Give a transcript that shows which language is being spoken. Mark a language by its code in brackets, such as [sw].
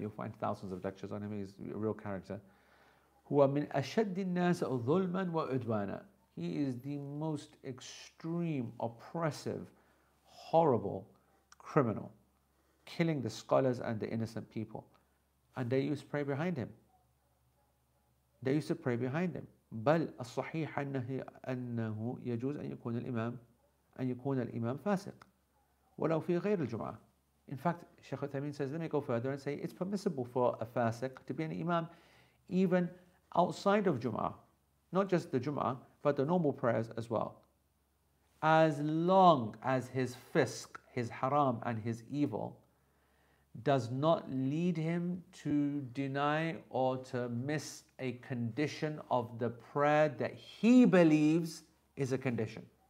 [en] You'll find thousands of lectures on him. He's a real character. [ar] Huwa min ashaddi an-nas dhulman wa udwana. [en] He is the most extreme, oppressive, horrible criminal, killing the scholars and the innocent people. And they used to pray behind him. They used to pray behind him. [ar] بل الصحيح أنه يجوز أن يكون الإمام فاسق ولو في غير الجمعة. [en] In fact, Sheikh Uthaymeen says, let me go further and say, it's permissible for a fasiq to be an imam even outside of Jum'ah. Not just the Jum'ah, but the normal prayers as well. As long as his fisq, his haram and his evil, does not lead him to deny or to miss a condition of the prayer that he believes is a condition.